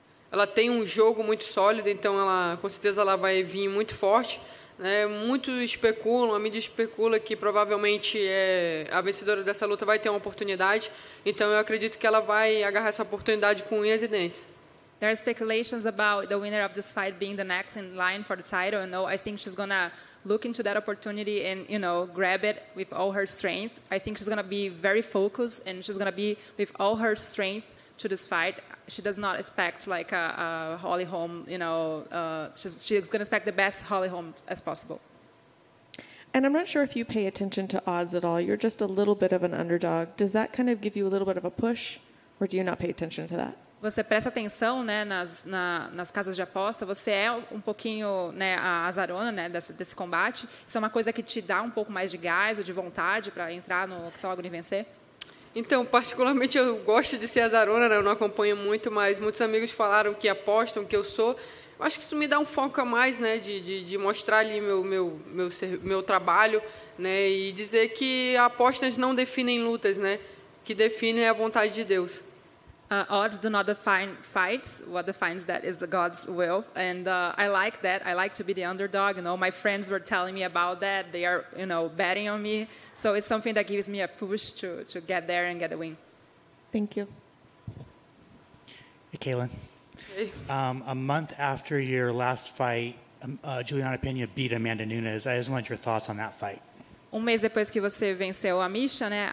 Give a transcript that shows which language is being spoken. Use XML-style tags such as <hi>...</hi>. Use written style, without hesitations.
<pt>Ela tem jogo muito sólido, então ela, com certeza, ela vai vir muito forte. Muitos especulam, a mídia especula que provavelmente a vencedora dessa luta vai ter uma oportunidade. Então eu acredito que ela vai agarrar essa oportunidade com unhas e dentes.</pt> <en>There are speculations about the winner of this fight being the next in line for the title. You know, I think she's gonna look into that opportunity and, you know, grab it with all her strength. I think she's gonna be very focused and she's gonna be with all her strength to this fight. She does not expect like a Holly Holm, you know, she's going to expect the best Holly Holm as possible. And I'm not sure if you pay attention to odds at all. You're just a little bit of an underdog. Does that kind of give you a little bit of a push or do you not pay attention to that?</en> <pt>Você presta atenção, né, nas casas de aposta, você é um pouquinho, né, a azarona, né, desse combate. Isso é uma coisa que te dá um pouco mais de gás ou de vontade para entrar no octógono e vencer? Então, particularmente, eu gosto de ser azarona, né? Eu não acompanho muito, mas muitos amigos falaram que apostam, que eu sou. Eu acho que isso me dá um foco a mais, né? De mostrar ali meu trabalho, né? E dizer que apostas não definem lutas, né? Que define é a vontade de Deus.</pt> <en>Odds do not define fights. What defines that is the God's will. And I like that. I like to be the underdog. You know, my friends were telling me about that. They are, you know, betting on me. So it's something that gives me a push to get there and get a win. Thank you. Hey, Kaylin. Hey. A month after your last fight, Juliana Pena beat Amanda Nunes. I just want your thoughts on that fight.</en> <pt>Mês depois que você venceu a Misha, né?</pt>